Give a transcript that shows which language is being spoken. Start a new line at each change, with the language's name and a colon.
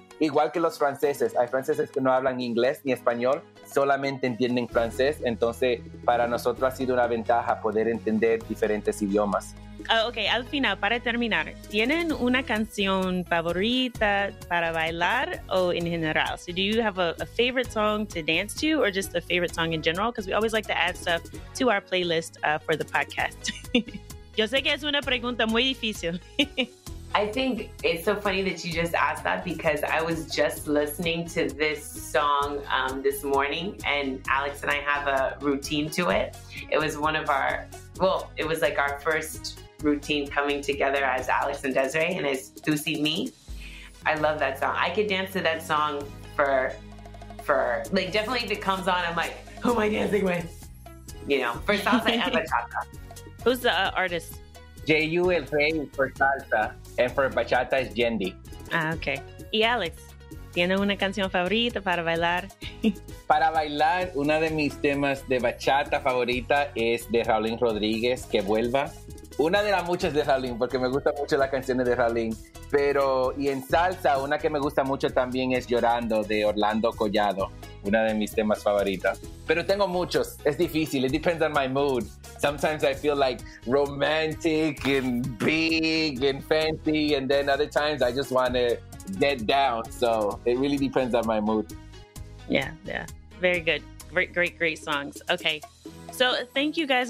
Spanish: Igual que los franceses, hay franceses que no hablan inglés ni español, solamente entienden francés. Entonces, para nosotros ha sido una ventaja poder entender diferentes idiomas. Ok, al final, para terminar, ¿tienen una canción favorita para bailar o en general?
English: So, do you have a favorite song to dance to or just a favorite song in general? Because we always like to add stuff to our playlist for the podcast.
Spanish: Yo sé que es una pregunta muy difícil.
English: I think it's so funny that you just asked that because I was just listening to this song this morning, and Alex and I have a routine to it. It was one of our, well, it was like our first routine coming together as Alex and Desiree, and it's Tu Si Mi. I love that song. I could dance to that song for like, definitely if it comes on, I'm like, who am I dancing with? You know, for salsa and bachata. Who's the artist? J.U. El Rey for salsa. And for bachata is Yendi. Ah, okay.
Spanish: Y Alex, ¿tiene una canción favorita para bailar? Para bailar, una de mis temas de bachata favorita es de Raulín Rodríguez, Que Vuelva. Una de las muchas de Raulín, porque me gustan mucho las canciones de Raulín. Pero, y en salsa, una que me gusta mucho también es Llorando, de Orlando Collado. Una de mis temas favoritas. Pero tengo muchos. Es difícil.
English: It depends on my mood. Sometimes I feel like romantic and big and fancy. And then other times I just want to get down. So it really depends on my mood. Yeah, yeah. Very good. Great, great, great songs. Okay. So thank you guys.